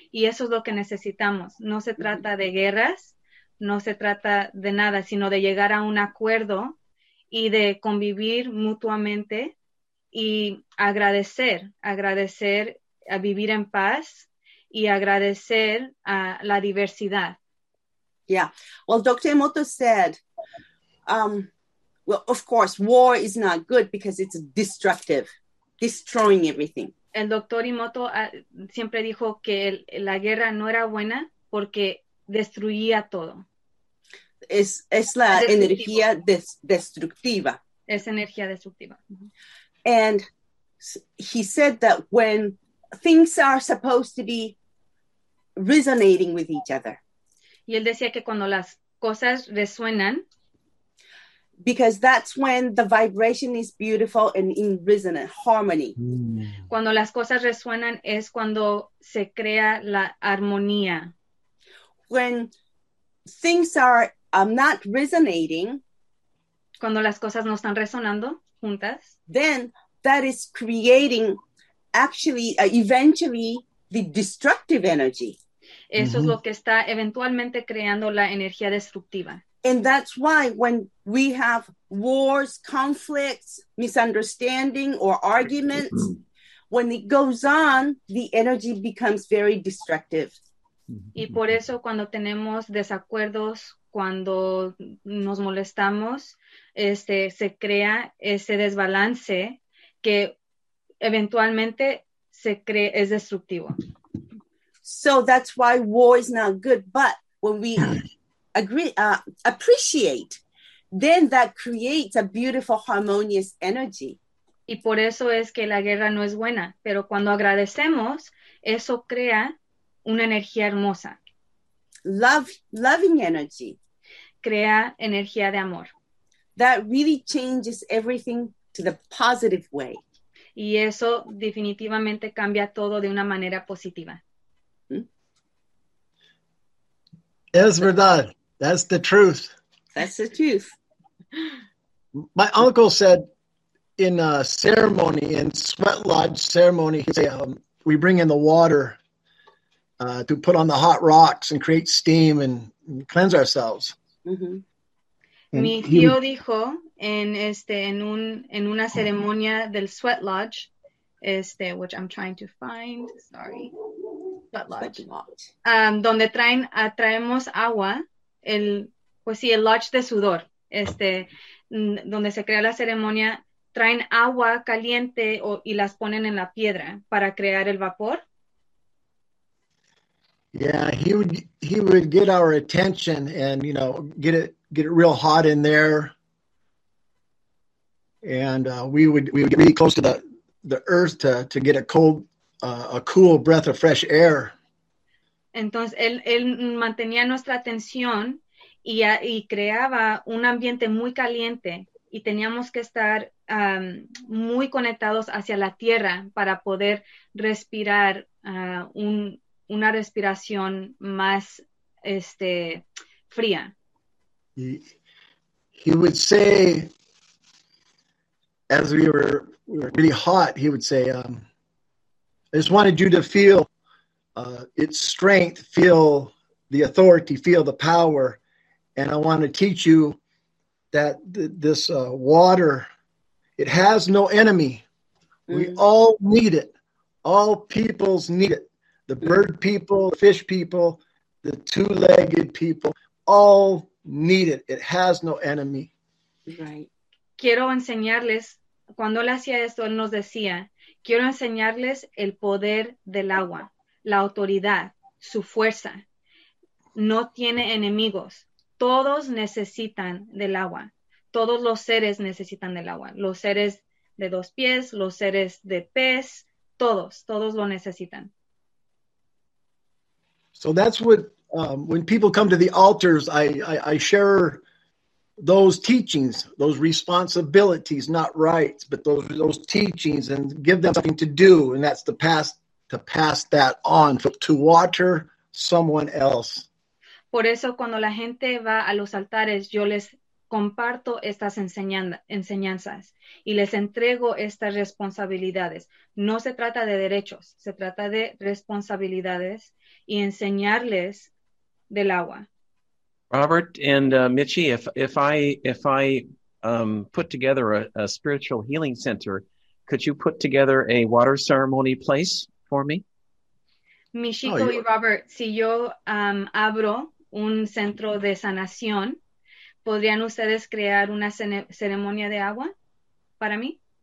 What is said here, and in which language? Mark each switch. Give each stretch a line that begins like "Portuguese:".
Spanish: Y eso es lo que necesitamos. No se trata de guerras, no se trata de nada, sino de llegar a un acuerdo y de convivir mutuamente y agradecer a vivir en paz. Y agradecer a la diversidad.
English: Yeah. Well, Dr. Emoto said, of course, war is not good because it's destructive, destroying everything.
Spanish: El Dr. Emoto siempre dijo que la guerra no era buena porque destruía todo. Es la destructivo. Energía destructiva. Es energía destructiva.
English: And he said that when things are supposed to be resonating with each other.
Spanish: Y él decía que cuando las cosas resuenan,
English: because that's when the vibration is beautiful and in resonant harmony.
Spanish: Cuando las cosas resuenan es cuando se crea la armonía.
English: When things are not resonating,
Spanish: cuando las cosas no están resonando juntas,
English: then that is creating actually eventually the destructive energy.
Spanish: Eso es lo que está eventualmente creando la energía destructiva.
English: And that's why when we have wars, conflicts, misunderstanding or arguments, when it goes on, the energy becomes very destructive.
Spanish: Y por eso cuando tenemos desacuerdos, cuando nos molestamos, se crea ese desbalance que eventualmente es destructivo.
English: So that's why war is not good. But when we agree, appreciate, then that creates a beautiful, harmonious energy.
Spanish: Y por eso es que la guerra no es buena. Pero cuando agradecemos, eso crea una energía hermosa.
English: Loving energy.
Spanish: Crea energía de amor.
English: That really changes everything to the positive way.
Spanish: Y eso definitivamente cambia todo de una manera positiva. Es verdad.
English: That's the truth. That's the truth. My uncle said in a ceremony, in Sweat Lodge ceremony, he said, we bring in the water to put on the hot rocks and create steam and cleanse ourselves.
Spanish: Mm-hmm. Mi tío dijo en una ceremonia del Sweat Lodge,
English: which I'm trying to find, sorry. Sweat Lodge.
Spanish: Donde traemos agua, el lodge de sudor, donde se crea la ceremonia, traen agua caliente y las ponen en la piedra para crear el vapor.
English: Yeah, he would get our attention and, you know, get it real hot in there. And we would be close to the earth to get a cold, a cool breath of fresh air.
Spanish: Entonces, él mantenía nuestra atención y creaba un ambiente muy caliente y teníamos que estar muy conectados hacia la tierra para poder respirar una respiración más fría.
English: He would say, as we were really hot, he would say, I just wanted you to feel its strength, feel the authority, feel the power. And I want to teach you that this water, it has no enemy. Mm-hmm. We all need it. All peoples need it. The bird people, the fish people, the two-legged people, all need it. It has no enemy. Right.
Spanish: Quiero enseñarles, cuando él hacía esto, él nos decía, quiero enseñarles el poder del agua, la autoridad, su fuerza. No tiene enemigos. Todos necesitan del agua. Todos los seres necesitan del agua. Los seres de dos pies, los seres de pez, todos lo necesitan.
English: So that's what, when people come to the altars, I share those teachings, those responsibilities, not rights, but those teachings, and give them something to do. And that's to pass that on, to water someone else.
Spanish: Por eso cuando la gente va a los altares, yo les comparto estas enseñanzas y les entrego estas responsabilidades. No se trata de derechos, se trata de responsabilidades y enseñarles del agua.
English: Robert and Mitchie, if I put together a spiritual healing center, could you put together a water ceremony place for me?
Spanish: Michiko y Robert, si yo abro un centro de sanación, ¿podrían ustedes crear una ceremonia de agua para mí?